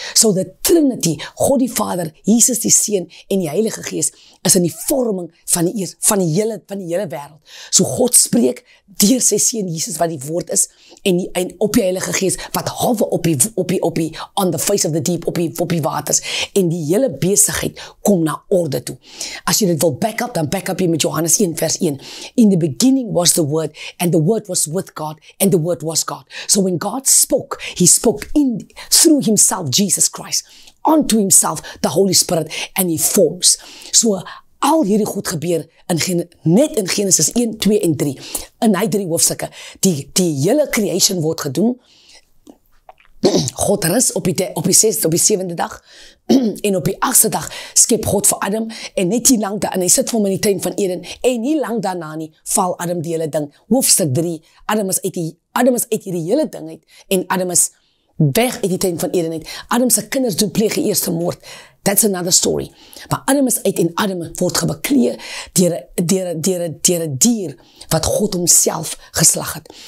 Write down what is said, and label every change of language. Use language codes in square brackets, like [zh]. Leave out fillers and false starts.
[af] So the Trinity, God die Vader, Jesus die Seun en die Heilige Gees is in die vorming van die hele wêreld. So God spreek deur sy Seun Jesus wat die woord is en op die Heilige Gees wat hawe op die [en] on the face of the deep [af] op die waters en die hele besigheid kom na orde toe. As jy dit wil backup, dan backup jy met Johannes 1 vers 1. [en] In the beginning was the word and the word was with God and the word was God. So when God spoke, he spoke in through himself Jesus Christ unto himself the Holy Spirit and he forms. [af] So al hierdie goed gebeur net in Genesis 1, 2 en 3. In hy drie hoofstukke. Die hele creation word gedoen. God rus op die sesde dag. En op die agste dag skep God vir Adam. En net hier lang daar. En hy sit vir hom in die tuin van Eden. En nie lang daarna nie val Adam die hele ding. Hoofstuk 3. Adam is uit die hele ding uit. En Adam is weg uit die tuin van Eden uit. Adam se kinders doen pleeg die eerste moord. [en] That's another story. [af] Maar Adam is uit en Adam word gebeklee deur een dier wat God homself geslag het.